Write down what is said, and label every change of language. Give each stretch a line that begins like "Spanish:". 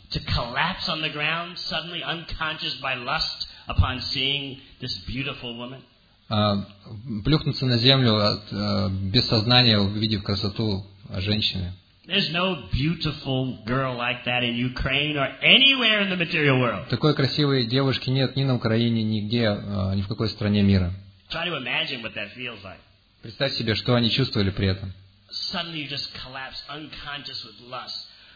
English: To collapse on the ground suddenly unconscious by lust. Upon seeing this beautiful woman,
Russian: плюхнуться на землю без сознания, увидев красоту женщины.
English: There's no beautiful girl like that in Ukraine or anywhere in the material world.
Russian: Такой красивой девушки нет ни на Украине, нигде, ни в какой стране мира.
English: Try to imagine what that feels like.
Russian: Представь себе, что они чувствовали при этом.
English: Suddenly you just collapse unconscious with lust.